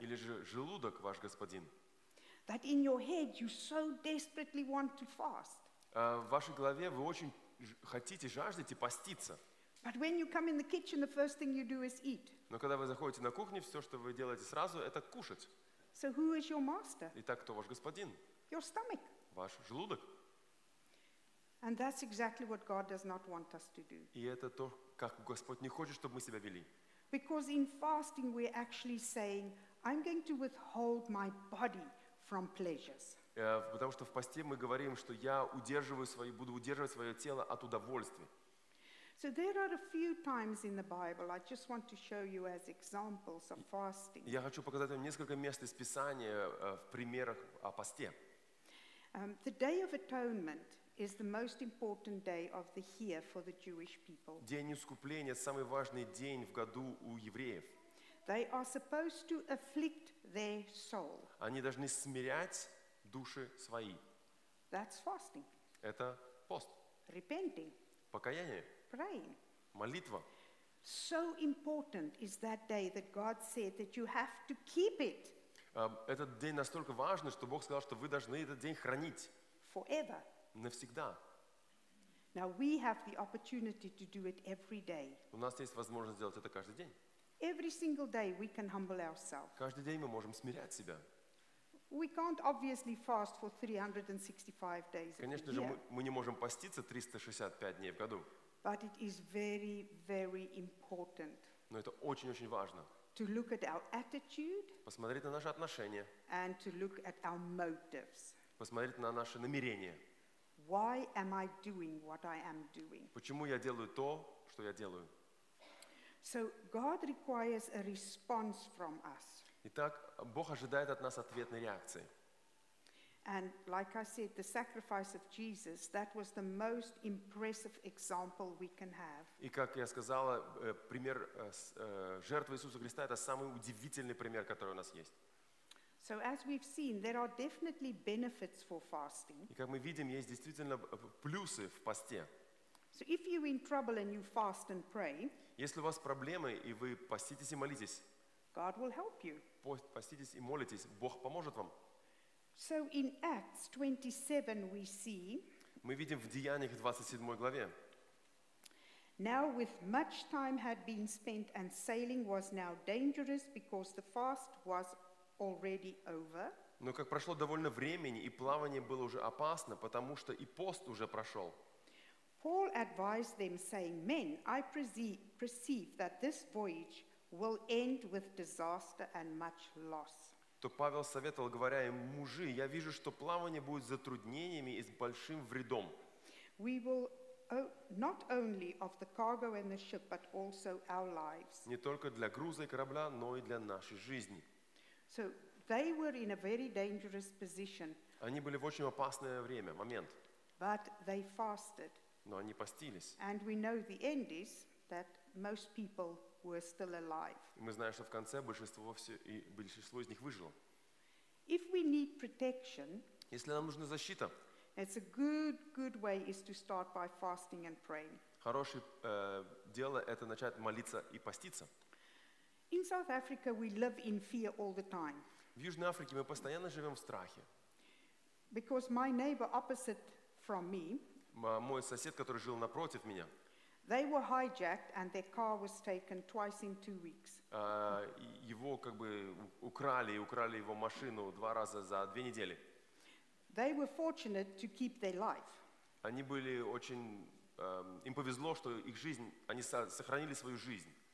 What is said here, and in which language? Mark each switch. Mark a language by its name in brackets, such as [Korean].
[Russian] Или же желудок ваш господин? [English] That in your head you so desperately want to fast. [Russian] В вашей голове вы очень хотите, жаждете поститься. [English] But when you come in the kitchen, the first thing you do is eat. [Russian] Но когда вы заходите на кухню, все, что вы делаете сразу, это кушать. [English] So who is your master? [Russian] Итак, кто ваш господин? [English] Your stomach. [Russian] Ваш желудок. [English] And that's exactly what God does not want us to do. [Russian] И это то, как Господь не хочет, чтобы мы себя вели. [English] Because in fasting we're actually saying, I'm going to withhold my body from pleasures. [Russian] Потому что в посте мы говорим, что я удерживаю свое, буду удерживать свое тело от удовольствий. [English] So there are a few times in the Bible I just want to show you as examples of fasting. [Russian] Я хочу показать вам несколько мест из Писания в примерах о посте. [English] The Day of Atonement is the most important day of the year for the Jewish people. [Russian] День искупления — самый важный день в году у евреев. [English] They are supposed to afflict their soul. [Russian] Они должны смирять души свои. [English] That's fasting. [Russian] Это пост. [English] Repenting. [Russian] Покаяние. [English] Praying. [Russian] Молитва. [English] So important is that day that God said that you have to keep it. [Russian] Этот день настолько важен, что Бог сказал, что вы должны этот день хранить. [English] Forever. [Russian] Навсегда. [English] Now we have the opportunity to do it every day. [Russian] У нас есть возможность сделать это каждый день. [English] Every single day we can humble ourselves. [Russian] Каждый день мы можем смирять себя. [English] We can't obviously fast for 365 days. [Russian] Конечно же, мы не можем поститься 365 дней в году. [English] But it is very, very important. [Russian] Но это очень-очень важно. [English] To look at our attitude. [Russian] Посмотреть на наши отношения. [English] And to look at our motives. [Russian] Посмотреть на наши намерения. [English] Why am I doing what I am doing? [Russian] Почему я делаю то, что я делаю? [English] So God requires a response from us. [Russian] Итак, Бог ожидает от нас ответной реакции. [English] And like I said, the sacrifice of Jesus, that was the most impressive example we can have. [Russian] И как я сказала, пример жертвы Иисуса Христа — это самый удивительный пример, который у нас есть. [English] So as we've seen, there are definitely benefits for fasting. [Russian] И как мы видим, есть действительно плюсы в посте. [English] So if you're in trouble and you fast and pray, [Russian] если у вас проблемы и вы поститесь и молитесь, [English] God will help you. [Russian] Поститесь и молитесь, Бог поможет вам. [English] So in Acts 27 we see. [Russian] Мы видим в Деяниях 27 главе. [English] Now with much time had been spent and sailing was now dangerous because the fast was already over. [Russian] Но как прошло довольно времени и плавание было уже опасно, потому что и пост уже прошел. [English] Paul advised them, saying, "Men, I perceive that this voyage will end with disaster and much loss." [Russian] То Павел советовал, говоря им: "Мужи, я вижу, что плавание будет затруднениями и с большим вредом." [English] We will not only of the cargo and the ship, but also our lives. [Russian] Не только для груза и корабля, но и для нашей жизни. [English] So they were in a very dangerous position. [Russian] Они были в очень опасное время, момент. [English] But they fasted. [Russian] Но они постились. [English] And we know the end is that most people were still alive. [Russian] Мы знаем, что в конце большинство из них выжило. [English] If we need protection, [Russian] если нам нужна защита, [English] it's a good way is to start by fasting and praying. [Russian] Хорошее дело — это начать молиться и поститься. [English] In South Africa we live in fear all the time. [Russian] В Южной Африке мы постоянно живем в страхе. [English] Because my neighbor opposite from me, [Russian] мой сосед, который жил напротив меня, [English] they were hijacked and their car was taken twice in 2 weeks. [Russian] Его как бы украли его машину два раза за две недели. [English] They were fortunate to keep their life. [Russian] Они были очень, им повезло, что их жизнь, они сохранили свою жизнь.